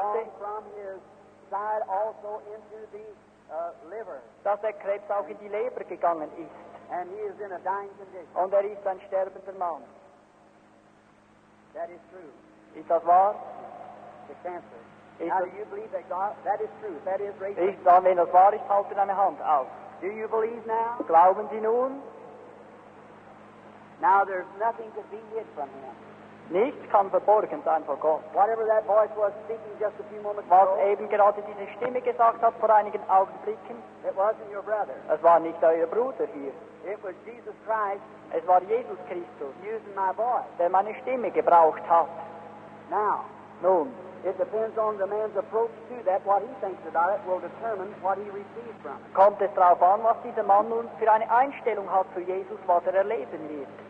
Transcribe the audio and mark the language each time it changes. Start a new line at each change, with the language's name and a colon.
English: has gone from his side also into the liver.
German: Dass der Krebs auch in die Leber gegangen ist.
English: And he is in a dying condition.
German: Und ist ein sterbender Mann.
English: That is true.
German: Ist das wahr?
English: The cancer. Now, do you believe that God, that is true, that is raised?
German: Ich sage, wenn das wahr ist, halte deine Hand auf.
English: Do you believe now?
German: Glauben Sie nun?
English: Now there's nothing to be hid from him.
German: Nichts kann verborgen sein vor Gott.
English: Whatever that voice was speaking just a few moments was ago.
German: Was eben gerade diese Stimme gesagt hat vor einigen Augenblicken.
English: It wasn't your brother.
German: Es war nicht euer Bruder hier.
English: It was Jesus Christ.
German: Es war Jesus Christus.
English: Using my voice.
German: Der meine Stimme gebraucht hat.
English: Now.
German: Nun.
English: It depends on the man's approach to that. What he thinks about it will determine what he receives from it.
German: Kommt es darauf an, was dieser Mann nun für eine Einstellung hat zu Jesus, was erleben wird.